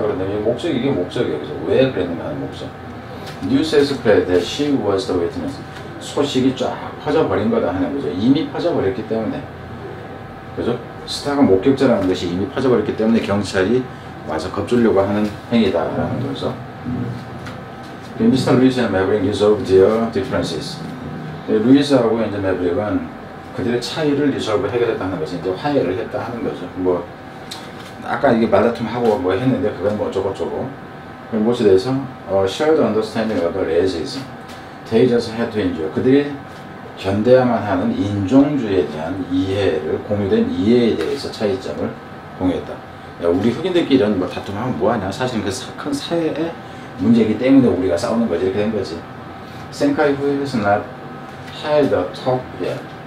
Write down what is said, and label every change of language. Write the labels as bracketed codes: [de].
[ko] 그런데 목적이, 이게 목적이에요. 그래서 왜 그랬는가 하는 목적. [en] News has spread that she was the witness. [ko] 소식이 쫙 퍼져버린 거다 하는 거죠. 이미 퍼져버렸기 때문에. 그죠? 스타가 목격자라는 것이 이미 퍼져버렸기 때문에 경찰이 와서 겁주려고 하는 행위다라는 거죠. [en] Mr. Lewis and Maverick resolve their differences. [ko] 루이스하고 이제 매브릭은 그들의 차이를 resolve 해결했다는 것이 이제 화해를 했다 하는 거죠. 뭐, 아까 이게 말다툼하고 뭐 했는데 그건 뭐 어쩌고저쩌고. 그 무엇에 대해서? [en] Shared understanding of the racism. They just had to endure. [ko] 그들이 견뎌야만 하는 인종주의에 대한 이해를, 공유된 이해에 대해서 차이점을 공유했다. 야, 우리 흑인들끼리 이런 뭐 다툼하면 뭐하냐. 사실 그 큰 사회의 문제이기 때문에 우리가 싸우는 거지. 이렇게 된 거지. [en] Senkai who has not had a talk yet.